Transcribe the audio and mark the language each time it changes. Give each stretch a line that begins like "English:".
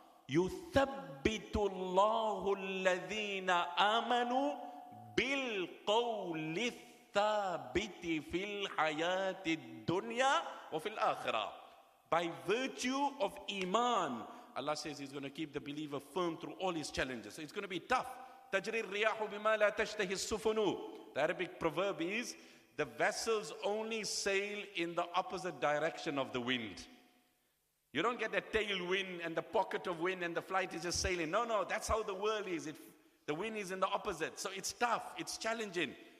Arabic: يُثَبِّتُ اللَّهُ الَّذِينَ آمَنُوا بِالْقَوْلِ الثَّابِتِ فِي الْحَيَاةِ الدُّنْيَا وَفِي الْآخِرَةِ.
English: By virtue of iman, Allah says He's going to keep the believer firm through all his challenges. So it's going to be tough.
Arabic: تَجْرِي الرِّيَاحُ بِمَا لَا تَشْتَهِ السُّفُنُ.
English: The Arabic proverb is, the vessels only sail in the opposite direction of the wind. You don't get the tailwind and the pocket of wind and the flight is just sailing. No, that's how the world is. The wind is in the opposite. So it's tough. It's challenging.